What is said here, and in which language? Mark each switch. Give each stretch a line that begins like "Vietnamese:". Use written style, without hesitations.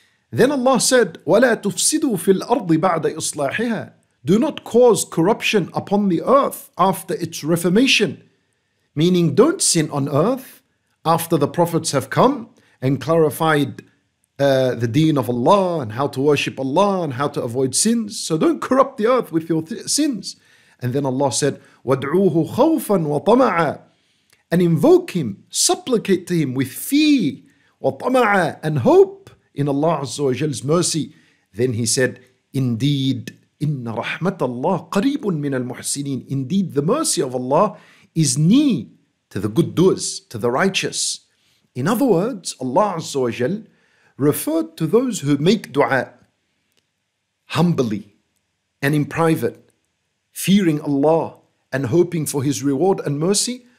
English: Then Allah said,
Arabic: وَلَا تُفْسِدُوا فِي الْأَرْضِ بَعْدَ إِصْلَاحِهَا.
English: Do not cause corruption upon the earth after its reformation. Meaning, don't sin on earth after the prophets have come and clarified the deen of Allah and how to worship Allah and how to avoid sins. So don't corrupt the earth with your sins. And then Allah said,
Arabic: وَادْعُوهُ خَوْفًا وَطَمَعًا,
English: and invoke him, supplicate to him with fear,
Arabic: وَطَمَعًا,
English: and hope in Allah Azza wa Jal's mercy. Then he said, indeed,
Arabic: إِنَّ رَحْمَةَ اللَّهِ قَرِيبٌ مِنَ الْمُحْسِنِينَ.
English: Indeed, the mercy of Allah is near to the good doers, to the righteous. In other words, Allah Azza wa Jal referred to those who make dua humbly and in private, fearing Allah and hoping for his reward and mercy.